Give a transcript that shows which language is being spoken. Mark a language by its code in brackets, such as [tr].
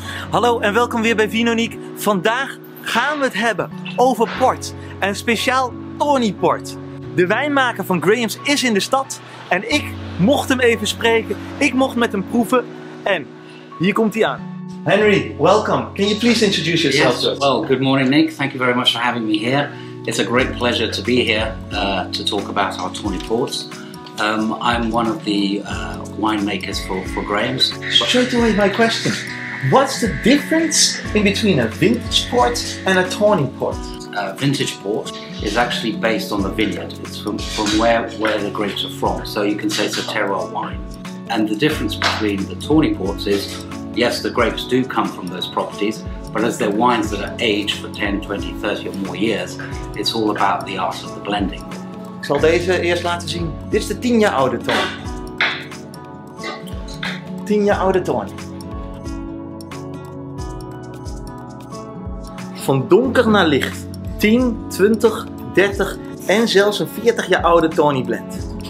[nl] Hallo en welkom weer bij Vinoniek. Vandaag gaan we het hebben over port. En speciaal Tawny Port. De wijnmaker van Graham's is in de stad. En ik mocht hem even spreken. Ik mocht met hem proeven. En hier komt hij aan. Henry, welcome. [en] Can you please introduce yourself? Yes. Well, good morning, Nick. Thank you very much for having me here. It's a great pleasure to be here to talk about our Tawny Port. I'm one of the winemakers for Graham's. Straight away, my question. What's the difference in between a vintage port and a tawny port? A vintage port is actually based on the vineyard. It's from where the grapes are from. So you can say it's a terroir wine. And the difference between the tawny ports is, yes, the grapes do come from those properties, but as they're wines that are aged for 10, 20, 30 or more years, it's all about the art of the blending. [nl] Ik zal deze eerst laten zien. Dit is de 10 jaar oude tawny. 10 jaar oude tawny. Van donker naar licht. 10, 20, 30 en zelfs een 40 jaar oude tawny blend.